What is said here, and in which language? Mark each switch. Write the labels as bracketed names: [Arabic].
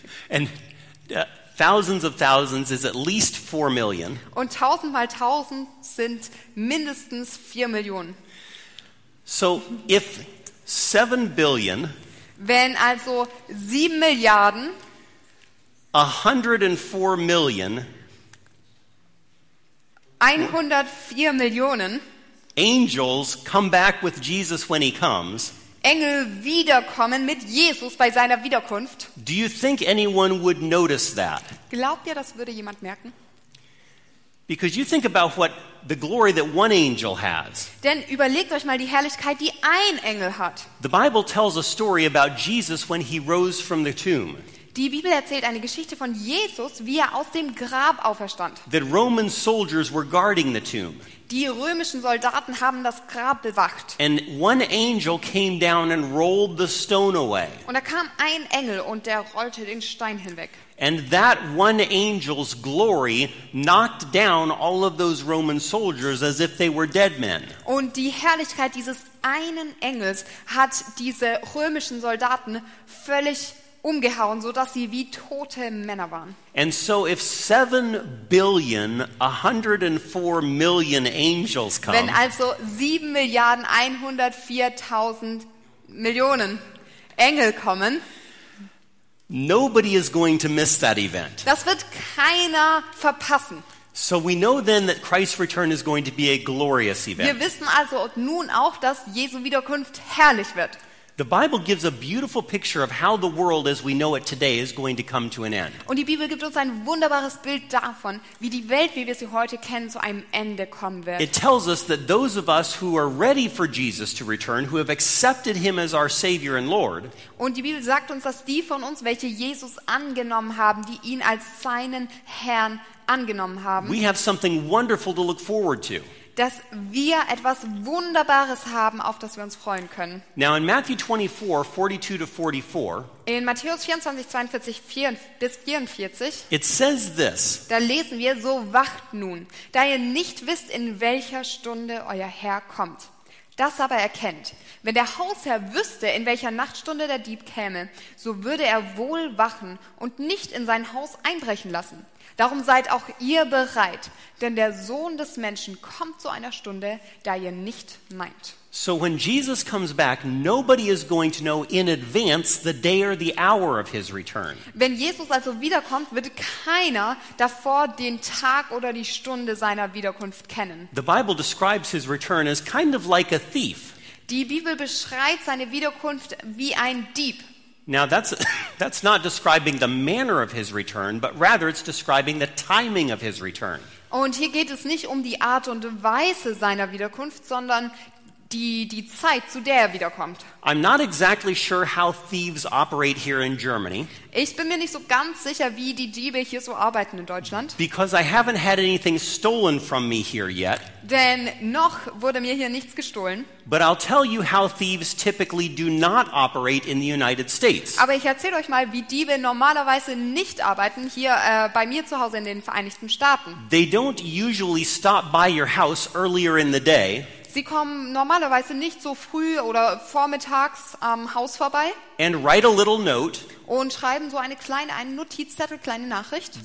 [English] And thousands of thousands is at least 4 million. [German] Und 1,000 mal 1,000 sind mindestens 4 Millionen. [English] So if 7 billion, [German] wenn also 7 Milliarden, [English] 104 million, [German] 104 Millionen [English] angels come back with Jesus when he comes. [German] Engel wiederkommen mit Jesus bei seiner Wiederkunft. [English] Do you think anyone would notice that? [German] Glaubt ihr, das würde jemand merken? [English] Because you think about what the glory that one angel has. [German] Denn überlegt euch mal die Herrlichkeit, die ein Engel hat. [English] The Bible tells a story about Jesus when he rose from the tomb. [German] Die Bibel erzählt eine Geschichte von Jesus, wie er aus dem Grab auferstand. [English] The Roman soldiers were guarding the tomb. [German] Die römischen Soldaten haben das Grab bewacht. [English] And one angel came down and rolled the stone away. [German] Und da kam ein Engel und der rollte den Stein hinweg. [English] And that one angel's glory knocked down all of those Roman soldiers as if they were dead men. [German] Und die Herrlichkeit dieses einen Engels hat diese römischen Soldaten völlig umgehauen, so dass sie wie tote Männer waren. [English] And so if 7 billion 104 million angels come, [German] wenn also 7 Milliarden 104.000 Millionen Engel kommen, [English] nobody is going to miss that event. [German] Das wird keiner verpassen. [English] So we know then that Christ's return is going to be a glorious event. [German] Wir wissen also nun auch, dass Jesu Wiederkunft herrlich wird. [English] The Bible gives a beautiful picture of how the world as we know it today is going to come to an end. [German] Und die Bibel gibt uns ein wunderbares Bild davon, wie die Welt, wie wir sie heute kennen, zu einem Ende kommen wird. [English] It tells us that those of us who are ready for Jesus to return, who have accepted him as our Savior and Lord, [German] und die Bibel sagt uns, dass die von uns, welche Jesus angenommen haben, die ihn als seinen Herrn angenommen haben, [English] we have something wonderful to look forward to. [German] Dass wir etwas Wunderbares haben, auf das wir uns freuen können. [English] Now in Matthew 24:42-44. [German] In Matthäus 24:42-44. [English] It says this. [German] Da lesen wir: So wacht nun, da ihr nicht wisst, in welcher Stunde euer Herr kommt. Das aber erkennt. Wenn der Hausherr wüsste, in welcher Nachtstunde der Dieb käme, so würde er wohl wachen und nicht in sein Haus einbrechen lassen. Darum seid auch ihr bereit, denn der Sohn des Menschen kommt zu einer Stunde, da ihr nicht meint. [English] So when Jesus comes back, nobody is going to know in advance the day or the hour of his return. [German] Wenn Jesus also wiederkommt, wird keiner davor den Tag oder die Stunde seiner Wiederkunft kennen. [English] The Bible describes his return as kind of like a thief. [German] Die Bibel beschreibt seine Wiederkunft wie ein Dieb. [English] Now that's not describing the manner of his return, but rather it's describing the timing of his return. [German] Und hier geht es nicht um die Art und Weise seiner Wiederkunft, sondern die Zeit, zu der er wiederkommt. [English] I'm not exactly sure how thieves operate here in Germany. [German] Ich bin mir nicht so ganz sicher, wie die Diebe hier so arbeiten in Deutschland. [English] Because I haven't had anything stolen from me here yet. [German] Denn noch wurde mir hier nichts gestohlen. [English] But I'll tell you how thieves typically do not operate in the United States. [German] Aber ich erzähle euch mal, wie Diebe normalerweise nicht arbeiten hier bei mir zu Hause in den Vereinigten Staaten. [English] They don't usually stop by your house earlier in the day. [German] Sie kommen normalerweise nicht so früh oder vormittags am Haus vorbei. [English] And write a little note. [German] Und schreiben so einen Notizzettel, kleine Nachricht.